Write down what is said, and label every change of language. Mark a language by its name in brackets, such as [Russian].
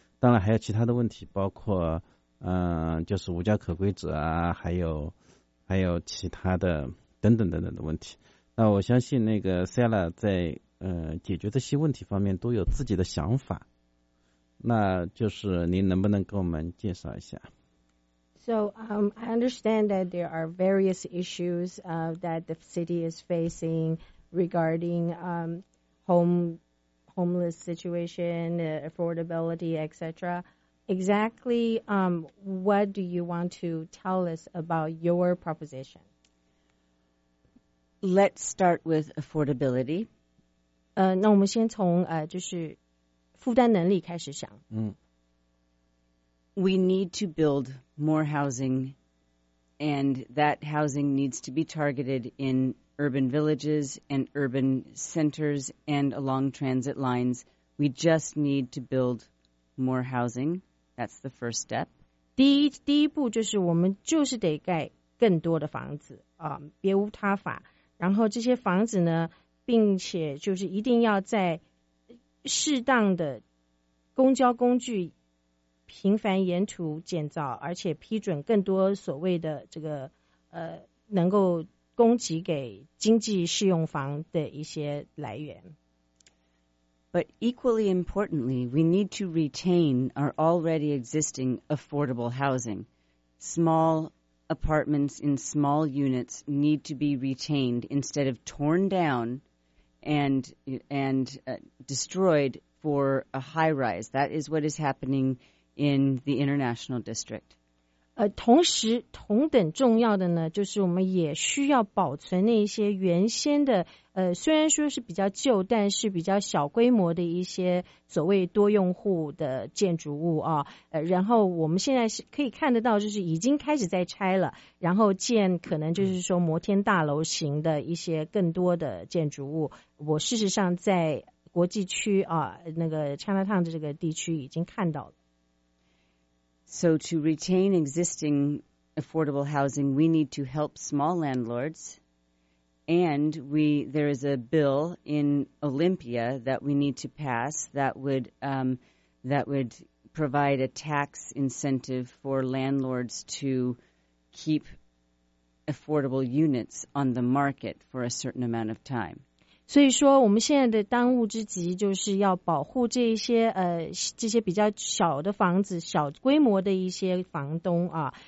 [Chinese] 当然还有其他的问题，包括就是无家可归者啊，还有其他的等等等等的问题。那我相信那个 Sarah 在解决这些问题方面都有自己的想法，那就是您能不能给我们介绍一下？ [English] So I understand that there are various issues that the city is facing regarding homeless situation, affordability, etc. Exactly what do you want to tell us about your proposition? Let's start with affordability. [Chinese] 那我们先从就是负担能力开始想。 [English] we need to build more housing, and that housing needs to be targeted in urban villages and urban centers and along transit lines. We just need to build more housing. That's the first step. [Chinese] 第一步就是我们就是得盖更多的房子啊，别无他法。然后这些房子呢，并且就是一定要在适当的公交工具频繁沿途建造，而且批准更多所谓的这个能够供给给经济适用房的一些来源。 [English] But equally importantly, we need to retain our already existing affordable housing. Small apartments in small units need to be retained instead of torn down and destroyed for a high rise. That is what is happening in the International District. [Chinese] 同等重要的呢，就是我们也需要保存那些原先的虽然说是比较旧，但是比较小规模的一些所谓多用户的建筑物啊，然后我们现在是可以看得到，就是已经开始在拆了，然后建可能就是说摩天大楼型的一些更多的建筑物。我事实上在国际区啊，那个 Chinatown 的这个地区已经看到了。 [English] So to retain existing affordable housing, we need to help small landlords. And there is a bill in Olympia that we need to pass that would provide a tax incentive for landlords to keep affordable units on the market for a certain amount of time. [Chinese] 所以说我们现在的当务之急就是要保护这些这些比较小的房子，小规模的一些房东啊。